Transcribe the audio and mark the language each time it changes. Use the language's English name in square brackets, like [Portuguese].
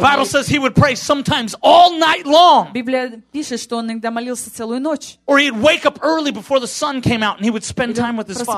[English] The Bible says he would pray sometimes all night long. [Russian] Библия пишет, что он иногда молился целую ночь. [English] Or he'd wake up early before the sun came out, and he would spend time with his Father.